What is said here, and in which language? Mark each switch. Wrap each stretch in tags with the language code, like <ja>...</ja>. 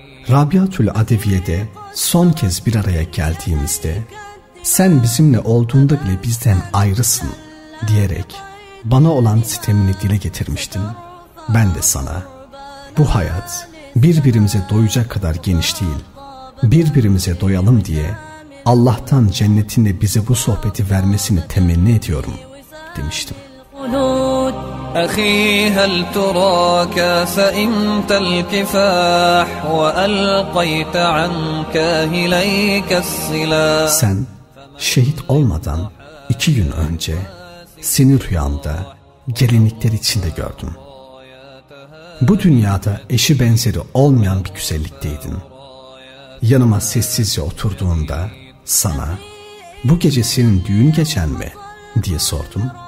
<tr>Rabiatül Adeviye'de son kez bir araya geldiğimizde sen bizimle olduğunda bile bizden ayrısın diyerek bana olan sitemini dile getirmiştin. Ben de sana, bu hayat birbirimize doyacak kadar geniş değil, birbirimize doyalım diye Allah'tan cennetinde bize bu sohbeti vermesini temenni ediyorum demiştim.</tr> <ar>أخي هل تراك فإن تلكفاح وألقيت عن كاهليك السلاح.</ar> <tr>Sen şehit olmadan iki gün önce seni rüyamda gelinlikler içinde gördüm. Bu dünyada eşi benzeri olmayan bir güzellikteydin. Yanıma sessizce oturduğunda sana bu gece senin düğün geçen mi diye sordum.</tr>